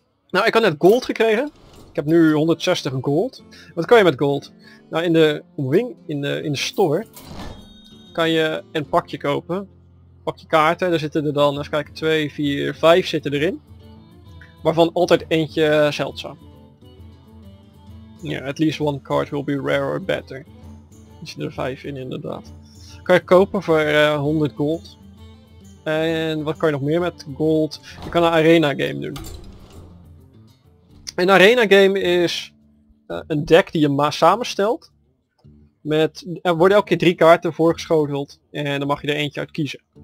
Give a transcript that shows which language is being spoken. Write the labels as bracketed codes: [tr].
[nl] Nou, ik had net gold gekregen. Ik heb nu 160 gold. Wat kan je met gold? Nou, in de wing, in de store... kan je een pakje kopen. Pakje kaarten. Daar zitten er dan, even kijken, 2, 4, 5 zitten erin. Waarvan altijd eentje zeldzaam. [en] Ja, yeah, at least one card will be rare or better. [nl] Er zitten er 5 in, inderdaad. Kan je kopen voor 100 gold. En wat kan je nog meer met gold? Je kan een arena game doen. Een arena game is een deck die je samenstelt. Er worden elke keer 3 kaarten voorgeschoteld en dan mag je er eentje uit kiezen.